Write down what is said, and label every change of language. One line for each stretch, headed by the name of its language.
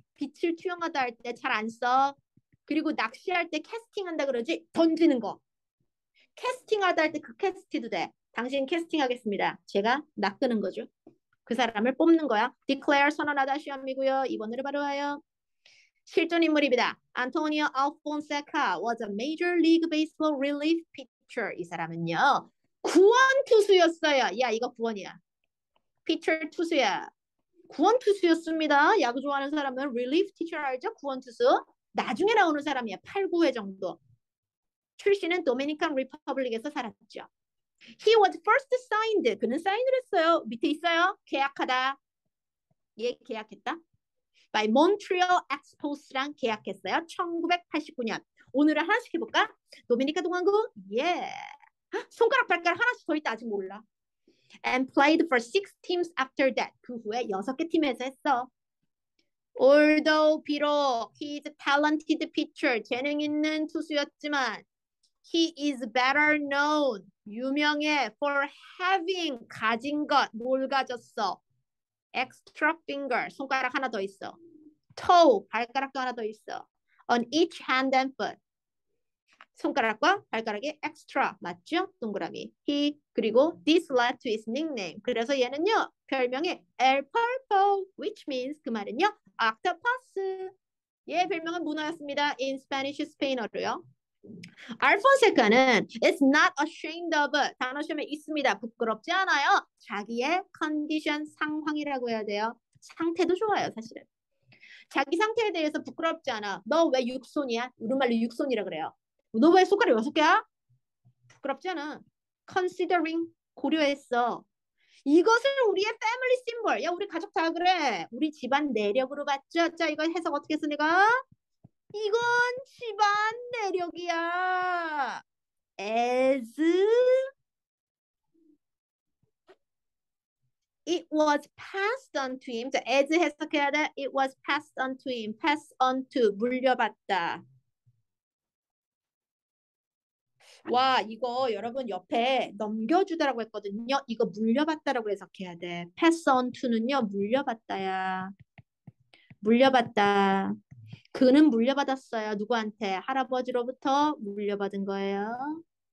Korean: 빛을 투영하다 할때잘안 써. 그리고 낚시할 때 캐스팅한다 그러지. 던지는 거. 캐스팅하다 할때그 캐스트도 돼. 당신 캐스팅하겠습니다. 제가 낚는 거죠. 그 사람을 뽑는 거야. Declare 선언하다 시험이고요. 2번으로 바로 와요. 실존인물입니다.
English: Antonio Alfonseca was a Major League Baseball relief pitcher.
Korean: 이 사람은요 구원 투수였어요. 야 이거 구원이야. 피처 투수야. 구원 투수였습니다. 야구 좋아하는 사람은 릴리프 피처 알죠? 구원 투수. 나중에 나오는 사람이야. 8, 9회 정도. 출신은 도미니칸 리퍼블릭에서 살았죠.
English: He was first signed.
Korean: 그는 사인을 했어요. 밑에 있어요. 계약하다. 얘 계약했다. By Montreal Expos랑 계약했어요. 1989년. 오늘은 하나씩 해볼까? 도미니카 공화국? 예. 손가락 발가락 하나씩 더 있다. 아직 몰라.
English: And played for six teams after that.
Korean: 그 후에 여섯 개 팀에서 했어.
English: Although
Korean: 비록
English: he is talented pitcher.
Korean: 재능 있는 투수였지만
English: he is better known.
Korean: 유명해.
English: For having
Korean: 가진 것. 뭘 가졌어?
English: Extra finger.
Korean: 손가락 하나 더 있어. Toe. 발가락도 하나 더 있어.
English: On each hand and foot.
Korean: 손가락과 발가락에 엑스트라 맞죠? 동그라미.
English: He
Korean: 그리고
English: this led to his nickname.
Korean: 그래서 얘는요 별명이 El Pulpo,
English: which means
Korean: 그 말은요 Octopus. 얘 별명은 문어였습니다.
English: In Spanish,
Korean: 스페인어로요.
English: Alfonseca는 is not ashamed of it.
Korean: 단어 시험에 있습니다. 부끄럽지 않아요. 자기의 컨디션 상황이라고 해야 돼요. 상태도 좋아요, 사실은. 자기 상태에 대해서 부끄럽지 않아. 너왜 육손이야? 우리말로 육손이라 그래요. 너왜 손가락 여섯 개야? 부끄럽지 않아. Considering 고려했어. 이것을 우리의
English: family symbol.
Korean: 야, 우리 가족 다 그래. 우리 집안 내력으로 봤죠? 자, 이거 해석 어떻게 쓰는 거? 이건 집안 내력이야.
English: As it was passed on to him.
Korean: 자, as 해석해야 돼.
English: It was passed on to him. Passed on to
Korean: 물려받다. 와, 이거 여러분 옆에 넘겨주다라고 했거든요. 이거 물려받다라고 해석해야 돼.
English: Pass on to
Korean: 는요, 물려받다야. 물려받다. 그는 물려받았어요. 누구한테? 할아버지로부터 물려받은 거예요.